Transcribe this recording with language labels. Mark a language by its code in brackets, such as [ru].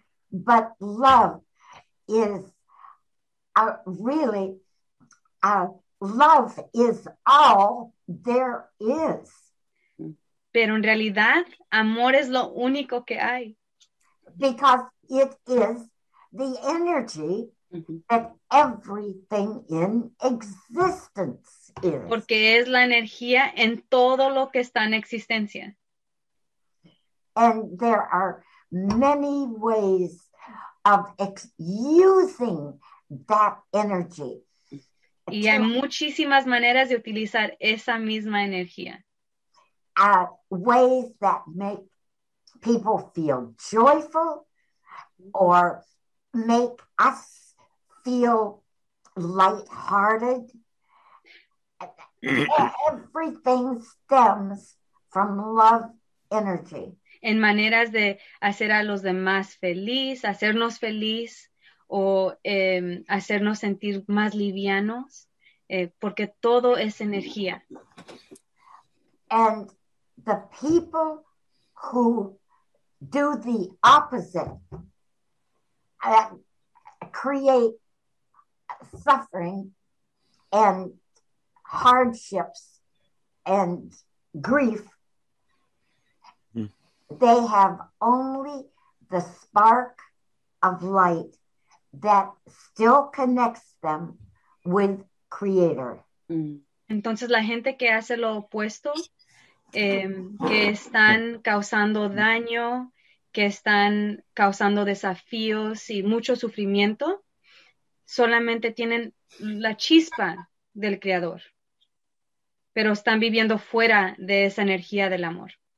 [en] But love is really, love is all there is. [es] Pero en realidad, amor es lo único que hay. [en] Because it is the energy that everything in existence is. [es] Porque es la energía en todo lo que está en existencia. [en] And there are many ways of using that energy. [es] Y hay muchísimas maneras de utilizar esa misma energía. [en] Ways that make people feel joyful or make us feel lighthearted. Everything stems from love energy. [es] En maneras de hacer a los demás feliz, hacernos feliz, o hacernos sentir más livianos, porque todo es energía. [en] And the people who do the opposite create suffering and hardships and grief. They have only the spark of light that still connects them with Creator. [es] Entonces, la gente que hace lo opuesto, que están causando daño, que están causando desafíos y mucho sufrimiento, solamente tienen la chispa del Creador, pero están viviendo fuera de esa energía del amor.